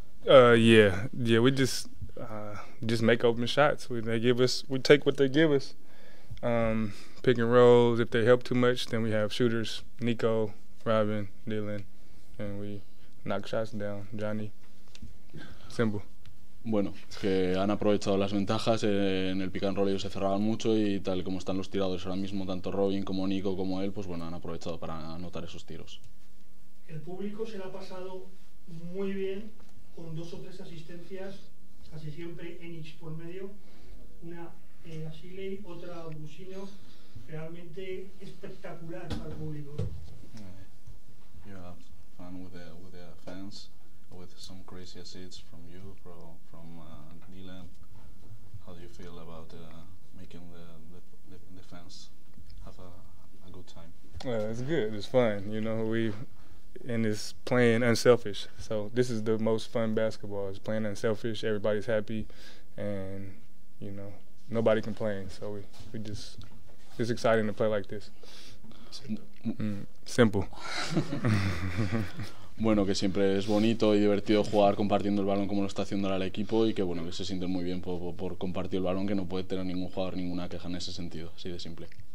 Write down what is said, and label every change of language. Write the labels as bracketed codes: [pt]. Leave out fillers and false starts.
[en] We just make open shots. They give us, we take what they give us. pick and rolls. If they help too much, then we have shooters, Nico, Robin, Dylan, and we knock shots down, Johnny. Simple. [es] Bueno, que han aprovechado las ventajas en el pick and roll, ellos se cerraban mucho y tal como están los tiradores ahora mismo, tanto Robin como Nico como él, pues bueno, han aprovechado para anotar esos tiros. El público se la ha pasado muy bien con dos o tres asistencias, casi siempre Enix por medio, una Ashley, otra Busino, realmente espectacular para el público. [en] You have fun with the fans. With some crazy assists from you, from Dylan, how do you feel about making the fans have a good time? Well, it's good. It's fun. You know, it's playing unselfish. So this is the most fun basketball. It's playing unselfish. Everybody's happy, and you know, nobody complains. So we just, it's exciting to play like this. Simple. [es] Bueno, que siempre es bonito y divertido jugar compartiendo el balón como lo está haciendo el equipo y que bueno, que se sienten muy bien por compartir el balón, que no puede tener ningún jugador ninguna queja en ese sentido, así de simple.